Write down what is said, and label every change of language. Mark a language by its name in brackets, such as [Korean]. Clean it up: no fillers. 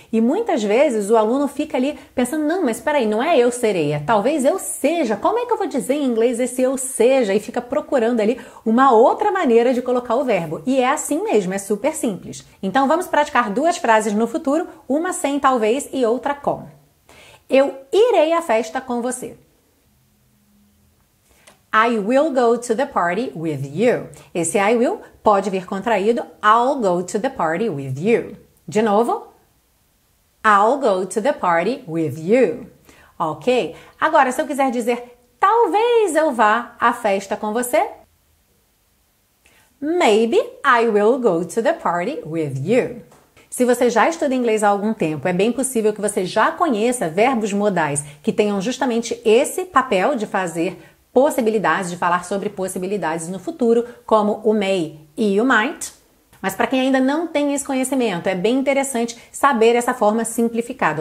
[Portuguese] E muitas vezes o aluno fica ali pensando, não, mas peraí, não é eu serei, é talvez eu seja. Como é que eu vou dizer em inglês esse eu seja? E fica procurando ali uma outra maneira de colocar o verbo. E é assim mesmo, é super simples. Então vamos praticar duas frases no futuro, uma sem talvez e outra com. Eu irei à festa com você. [English] I will go to the party with you. [Portuguese] Esse I will pode vir contraído. [English] I'll go to the party with you. [Portuguese] De novo. [English] I'll go to the party with you. Ok? [Portuguese] Agora, se eu quiser dizer, talvez eu vá à festa com você. [English] Maybe I will go to the party with you. [Portuguese] Se você já estuda inglês há algum tempo, é bem possível que você já conheça verbos modais que tenham justamente esse papel de fazer possibilidades, de falar sobre possibilidades no futuro, como o may e o might. Mas para quem ainda não tem esse conhecimento, é bem interessante saber essa forma simplificada.